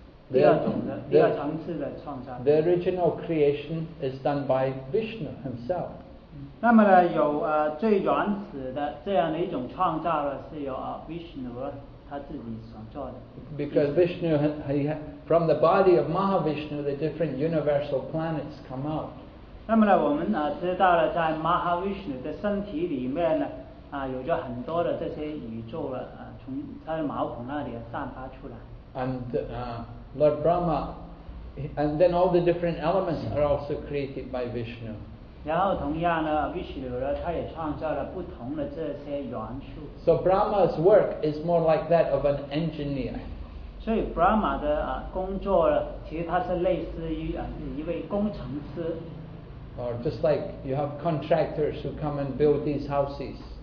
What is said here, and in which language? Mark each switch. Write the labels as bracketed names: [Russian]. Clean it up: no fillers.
[Chinese] 但是呢，他现在的这种的创造呢，还不是第一种，他只是第二层次的创造。 [English] The original creation is done by Vishnu himself. [Chinese] 那么呢，有最原始的这样的一种创造呢，是由Vishnu他自己所做的。 [English] Because Vishnu, from the body of Mahavishnu, the different universal planets come out. [Chinese] 那么呢，我们知道了，在Mahavishnu的身体里面呢。有着很多的这些宇宙了，从他的毛孔那里散发出来。 [English] And Lord Brahma, and then all the different elements are also created by Vishnu. [Chinese] 然后同样呢，Vishnu呢，他也创造了不同的这些元素。 [English] So Brahma's work is more like that of an engineer. [Chinese] 所以 Brahma 的工作，其实他是类似于一位工程师。 [English] Or just like you have contractors who come and build these houses.